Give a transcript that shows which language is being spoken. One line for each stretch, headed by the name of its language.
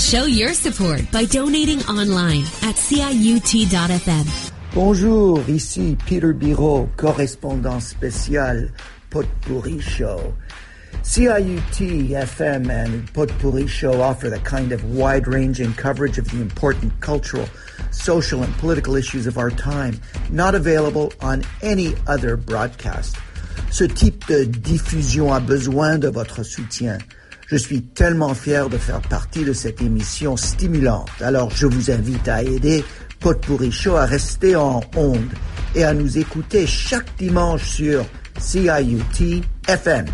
English: Show your support by donating online at ciut.fm.
French: Bonjour, ici Peter Biraud, correspondant spécial Potpourri Show.
English: CIUT FM and Potpourri Show offer the kind of wide-ranging coverage of the important cultural, social, and political issues of our time, not available on any other broadcast.
French: Ce type de diffusion a besoin de votre soutien. Je suis tellement fier de faire partie de cette émission stimulante. Alors, je vous invite à aider Potpourri Show à rester en onde et à nous écouter chaque dimanche sur CIUT FM.